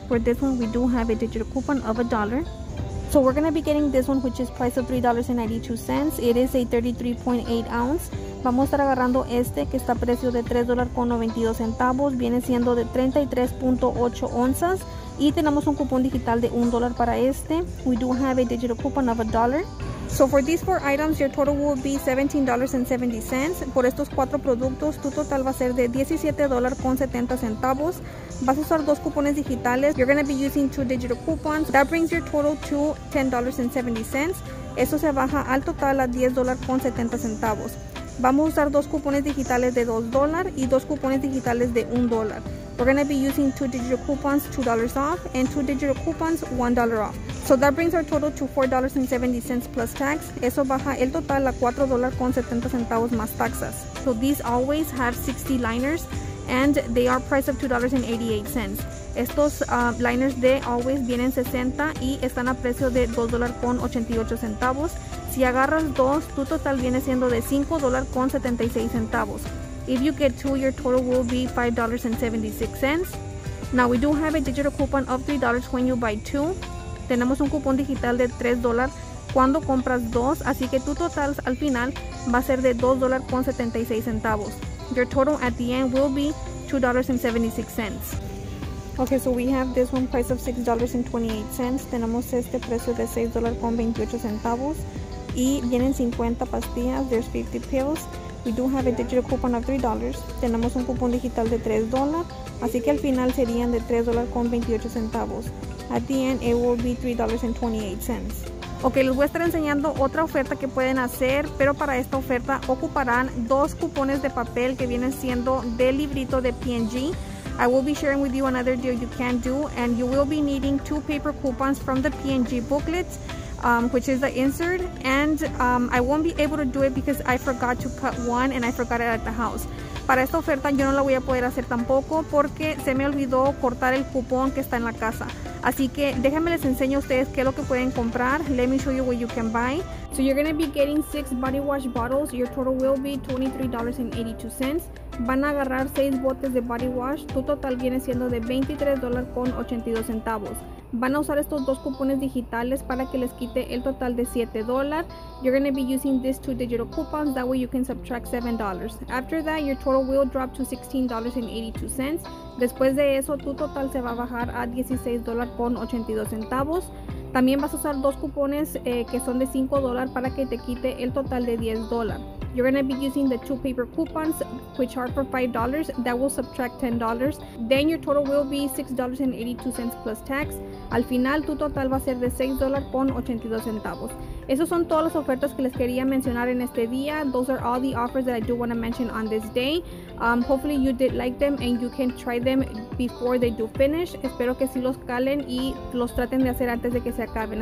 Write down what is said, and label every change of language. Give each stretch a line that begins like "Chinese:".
English: For this one, we do have a digital coupon of $1. So we're going to be getting this one, which is price of $3.92. It is a 33.8 ounce.
Spanish: Vamos a estar agarrando este que está a precio de $3.92. Viene siendo de 33.8 onzas. Y tenemos un cupón digital de $1 para este.
English: We do have a digital coupon of $1. So for these 4 items, your total will be $17.70.
Spanish: Por estos 4 productos, tu total va a ser de $17.70. Vas a usar 2 cupones digitales.
English: You're going to be using 2 digital coupons. That brings your total to $10.70.
Spanish: Eso se baja al total a $10.70. Vamos a usar 2 cupones digitales de $2 y 2 cupones digitales de $1.
English: We're going to be using 2 digital coupons, $2 off, and 2 digital coupons, $1 off. So that brings our total to $4.70 plus tax.
Spanish: Eso baja el total a $4.70 más taxas.
English: So these always have 60 liners and they are priced at $2.88.
Spanish: Estos liners de Always vienen 60 y están a precio de $2.88. Si agarras dos, tu total viene siendo de $5.76.
English: If you get two, your total will be $5.76. Now we do have a digital coupon of $3 when you buy two.
Spanish: Tenemos un cupón digital de $3 cuando compras dos, así que tu total al final va a ser de $2.76.
English: Your total at the end will be $2.76. Okay, so we have this one price of $6.28.
Spanish: Tenemos este precio de $6.28. Y vienen 50 pastillas,
English: there's 50 pills. We do have a digital coupon of $3.
Spanish: Tenemos un cupón digital de $3. Así que al final serían de $3.28.
English: At the end, it will be $3.28.
Spanish: Ok, les voy a estar enseñando otra oferta que pueden hacer, pero para esta oferta ocuparán dos cupones de papel que vienen siendo del librito de P&G.
English: I will be sharing with you another deal you can do, and you will be needing two paper coupons from the P&G booklet, which is the insert, and I won't be able to do it because I forgot to cut one and I forgot it at the house.
Spanish: Para esta oferta yo no la voy a poder hacer tampoco porque se me olvidó cortar el cupón que está en la casa. Así que déjenme les enseño a ustedes qué es lo que pueden comprar.
English: Let me show you what you can buy. So you're going to be getting 6 body wash bottles. Your total will be $23.82.
Spanish: Van a agarrar 6 botes de body wash. Tu total viene siendo de $23.82. Van a usar estos dos cupones digitales para que les quite el total de $7.
English: You're going to be using these two digital coupons. That way you can subtract $7. After that, your total will drop to $16.82.
Spanish: Después de eso, tu total se va a bajar a $16.82. También vas a usar dos cupones que son de $5 para que te quite el total de $10.
English: You're going to be using the two paper coupons, which are for $5. That will subtract $10. Then your total will be $6.82 plus tax.
Spanish: Al final, tu total va a ser de $6.82. Esas son todas las ofertas que les quería mencionar en este día.
English: Those are all the offers that I do want to mention on this day. Hopefully you did like them and you can try them before they do finish.
Spanish: Espero que sí los calen y los traten de hacer antes de que se acaben.